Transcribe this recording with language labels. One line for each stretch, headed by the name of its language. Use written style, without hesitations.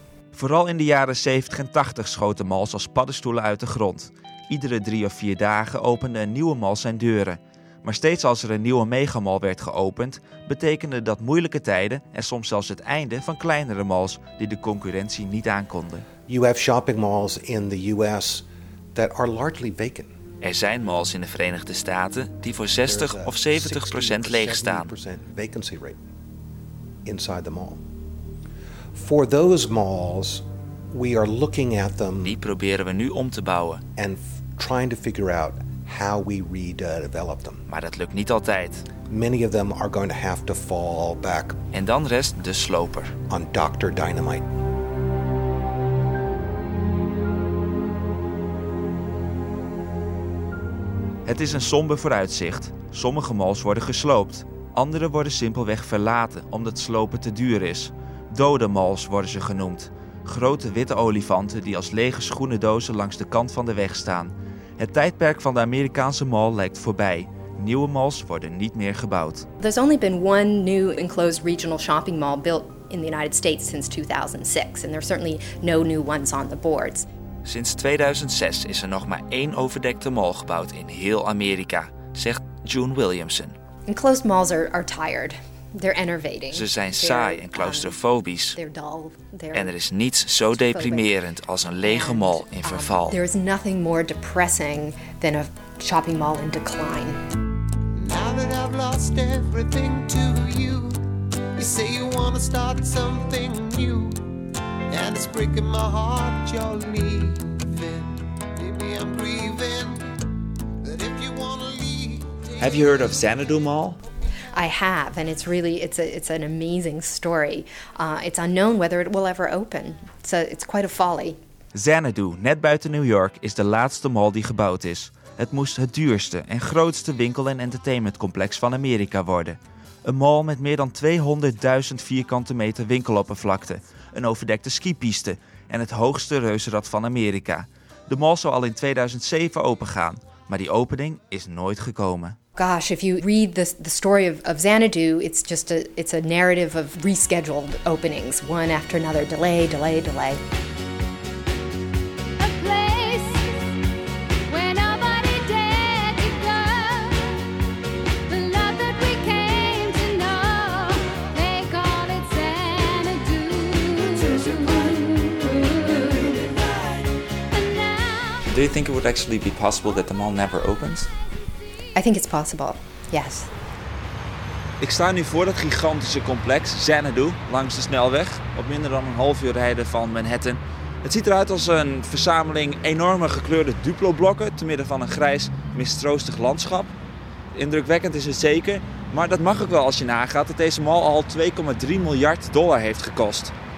Dutch: Vooral in de jaren 70 en 80 schoten malls als paddenstoelen uit de grond. Iedere 3 of 4 dagen opende een nieuwe mall zijn deuren. Maar steeds als er een nieuwe megamall werd geopend, betekende dat moeilijke tijden en soms zelfs het einde van kleinere malls die de concurrentie niet aankonden.
English: You have shopping malls in the US that are largely vacant.
Dutch: Er zijn malls in de Verenigde Staten die voor 60 of 70% leeg staan.
English: Vacancy rate inside the mall. For those malls, we are looking at them.
Dutch: Die proberen we nu om te bouwen.
English: And trying to figure out how we redevelop them.
Dutch: Maar dat lukt niet altijd.
English: Many of them are going to have to fall back.
Dutch: En dan rest de sloper.
English: On Dr. Dynamite.
Dutch: Het is een somber vooruitzicht. Sommige malls worden gesloopt. Andere worden simpelweg verlaten omdat slopen te duur is. Dode malls worden ze genoemd. Grote witte olifanten die als lege schoenendozen langs de kant van de weg staan. Het tijdperk van de Amerikaanse mall lijkt voorbij. Nieuwe malls worden niet meer gebouwd.
English: There's only been one new enclosed regional shopping mall built in the United States since 2006. And there are certainly no new ones on the boards.
Dutch: Sinds 2006 is er nog maar één overdekte mall gebouwd in heel Amerika, zegt June Williamson.
English: Enclosed malls are tired. They're enervating.
Dutch: Ze zijn saai en claustrofobisch.
English: They're dull.
Dutch: En er is niets zo deprimerend als een lege mall in verval.
English: There is nothing more depressing than a shopping mall in decline. Now that I've lost everything to you, you say you want to start something new. And it's breaking my heart, you're leaving. Maybe I'm grieving. But if you wanna leave. Have you heard of Xanadu Mall? I have, and it's an amazing story. It's unknown whether it will ever open. It's quite a folly.
Dutch: Xanadu, net buiten New York, is de laatste mall die gebouwd is. Het moest het duurste en grootste winkel- en entertainmentcomplex van Amerika worden. Een mall met meer dan 200.000 vierkante meter winkeloppervlakte, een overdekte skipiste en het hoogste reuzenrad van Amerika. De mall zou al in 2007 opengaan, maar die opening is nooit gekomen.
English: Gosh, if you read the story of Xanadu, it's a narrative of rescheduled openings, one after another, delay, delay, delay. Do you think it would actually be possible that the mall never opens? I think it's possible, yes.
Dutch: Ik sta nu voor dat gigantische complex, Xanadu, langs de snelweg. Op minder dan een half uur rijden van Manhattan. Het ziet eruit als een verzameling enorme gekleurde Duplo-blokken, te midden van een grijs, mistroostig landschap. Indrukwekkend is het zeker, maar dat mag ook wel als je nagaat dat deze mall al $2.3 miljard heeft gekost.